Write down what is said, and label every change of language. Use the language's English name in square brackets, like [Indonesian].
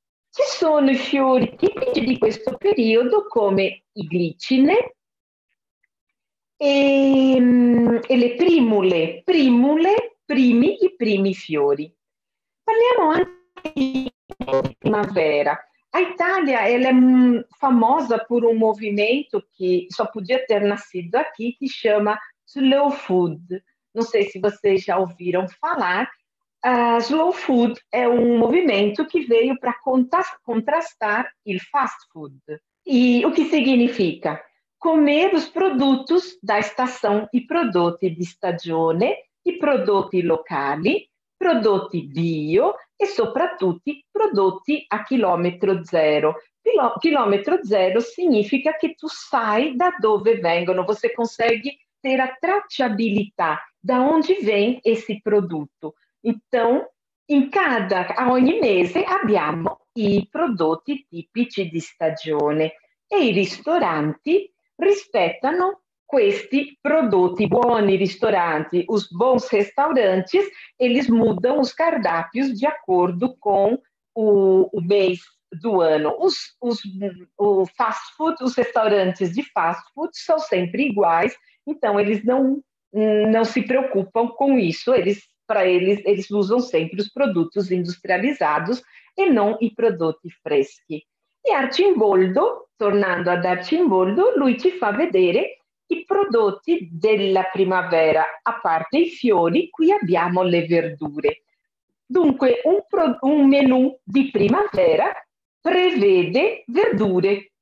[Italian] Ci sono i fiori tipici di questo periodo, come i glicine e le primule, i primi fiori. Parliamo anche di primavera. [Portuguese] A Itália ela è famosa por [Italian] un movimento che [Portuguese] só podia ter nascido aqui, que chama Slow Food. [Italian] Non so se [Portuguese] vocês já ouviram falar. [Italian] Slow Food è un movimento che [Portuguese] veio para [Italian] contrastar il fast food. [Portuguese] E o que significa? Comer os produtos da estação e [Italian] prodotti di stagione, i prodotti locali, prodotti bio e soprattutto prodotti a chilometro zero. Chilometro zero significa che tu sai da dove vengono, [Portuguese] você consegue ter a [Italian] tracciabilità [Portuguese] da onde vem esse [Italian] prodotto. Então, a ogni mese abbiamo i prodotti tipici di stagione e i ristoranti rispettano questi prodotti. Buoni ristoranti, [Portuguese] os bons restaurantes, eles mudam os cardápios de acordo com o mês do ano. O fast food, os restaurantes de fast food são sempre iguais, então eles não se preocupam com isso. Eles usam sempre os produtos industrializados e não [Italian] i prodotti freschi. E Arcimboldo, tornando ad Arcimboldo, lui ci fa vedere i prodotti della primavera. A parte i fiori, qui abbiamo le verdure. Dunque, un menù di primavera prevede verdure.